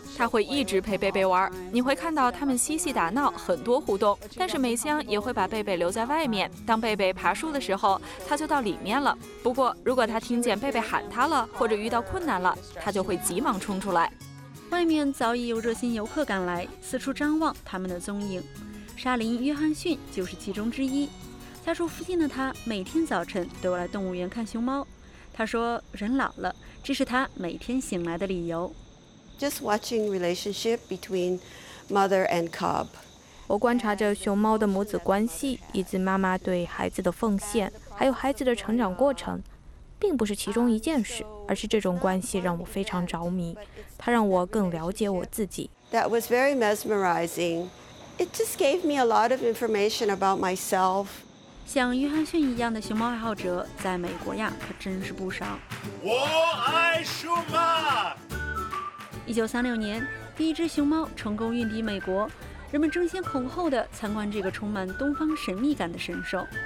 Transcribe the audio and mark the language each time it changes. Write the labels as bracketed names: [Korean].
[Chinese] 她会一直陪贝贝玩，你会看到他们嬉戏打闹，很多互动，但是美香也会把贝贝留在外面，当贝贝爬树的时候她就到里面了，不过如果她听见贝贝喊她了，或者遇到困难了，她就会急忙冲出来。外面早已有热心游客赶来，四处张望他们的踪影，沙林约翰逊就是其中之一。家住附近的他每天早晨都来动物园看熊猫，他说人老了，这是他每天醒来的理由。 [English] Just watching relationship between mother and cub. [Chinese] 我观察着熊猫的母子关系，以及妈妈对孩子的奉献，还有孩子的成长过程，并不是其中一件事，而是这种关系让我非常着迷，它让我更了解我自己。 [English] That was very mesmerizing. It just gave me a lot of information about myself. [Chinese] 像约翰逊一样的熊猫爱好者在美国呀可真是不少。我爱熊猫。 1936年，第一只熊猫成功运抵美国，人们争先恐后的参观这个充满东方神秘感的神兽。